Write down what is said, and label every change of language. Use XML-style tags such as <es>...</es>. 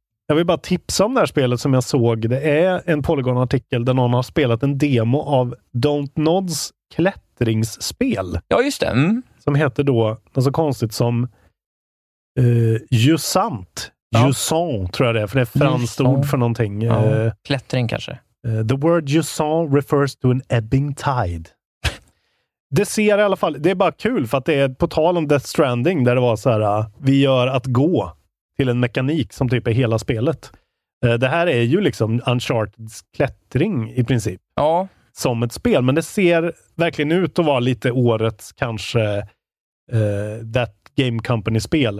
<sv>Jag vill bara tipsa om det här spelet som jag såg. Det är en Polygon-artikel där någon har spelat en demo av Don't Nods klättringsspel. Ja, just det. Mm. Som heter då något så konstigt som Jussant. Jussant tror jag det är, för det är franskt ord för någonting. Ja. Klättring kanske.</sv> <en>The word Jussant refers to an ebbing tide.</en> <sv>Det ser i alla fall, det är bara kul för att det är på tal om Death Stranding där det var så här, vi gör att gå till en mekanik som typ är hela spelet. Det här är ju liksom Uncharted's klättring i princip. Ja. Som ett spel. Men det ser verkligen ut att vara lite årets kanske That Game Company-spel.</sv>